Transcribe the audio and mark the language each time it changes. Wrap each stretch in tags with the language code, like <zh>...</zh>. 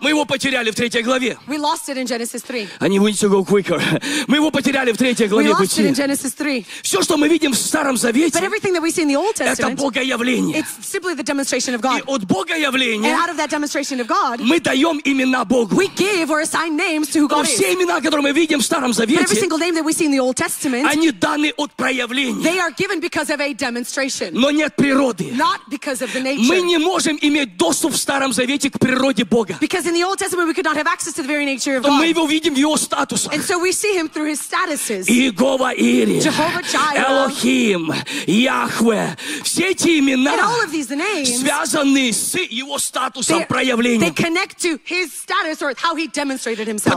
<ru>Мы его потеряли в третьей главе.</ru> <en>We lost it in Genesis 3. I need to go quicker.</en> <ru>Мы его потеряли в третьей главе бытия.</ru> <en>We lost it in Genesis 3.</en> <ru>Все, что мы видим в Старом Завете,</ru> <en>but everything that we see in the Old Testament,</en> <ru>это Богоявление.</ru> <en>It's simply the demonstration of God.</en> <ru>И от Богоявления,</ru> <en>and out of that demonstration of God,</en> <ru>мы даем имена Богу.</ru> <en>We give or assign names to who God is.</en> <ru>Все имена, которые мы видим в Старом Завете,</ru> <en>but every single name that we see in the Old Testament,</en> <ru>они даны от проявления.</ru> <en>They are given because of a demonstration.</en> <ru>Но нет природы.</ru> <en>Not because of the nature.</en> <ru>Мы не можем иметь доступ в Старом Завете к природе Бога.</ru> <en>Because in the Old Testament we could not have access to the very nature of God.</en> <ru>Но мы его видим в его статусах.</ru> <en>And so we see him through his statuses.</en> <ru>Иегова Ири.</ru> <en>Jehovah Jireh.</en> <ru>Элохим. Яхве. Все эти имена</ru> <en>and all of these names,</en> <ru>связаны с его статусом проявления.</ru> <en>They connect to his status or how he demonstrated himself.</en>